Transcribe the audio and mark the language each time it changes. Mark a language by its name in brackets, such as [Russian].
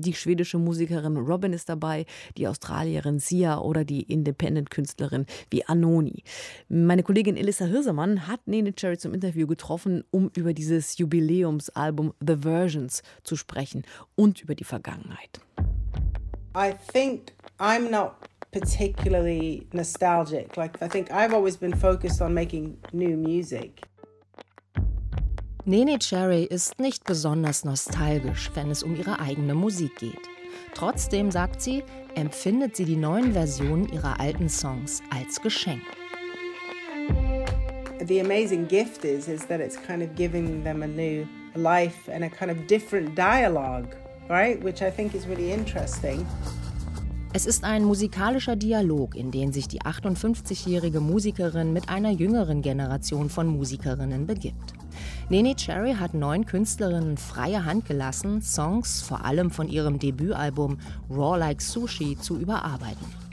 [German] Die schwedische Musikerin Robin ist dabei, die Australierin Sia oder die Independent-Künstlerin wie Anoni. Meine Kollegin Elissa Hirsemann hat Nene Cherry zum Interview getroffen, um über dieses Jubiläumsalbum The Versions zu sprechen und über die Vergangenheit. [English] I think I'm not particularly nostalgic. Like, I think I've always been focused on making new music. [German] Nene Cherry ist nicht besonders nostalgisch, wenn es um ihre eigene Musik geht. Trotzdem, sagt sie, empfindet sie die neuen Versionen ihrer alten Songs als Geschenk. [English] The amazing gift is that it's kind of giving them a new life and a kind of different dialogue. Right, which I think is really interesting. [German] Es ist ein musikalischer Dialog, in den sich die 58-jährige Musikerin mit einer jüngeren Generation von Musikerinnen begibt. Nene Cherry hat 9 Künstlerinnen freie Hand gelassen, Songs vor allem von ihrem Debütalbum Raw Like Sushi zu überarbeiten.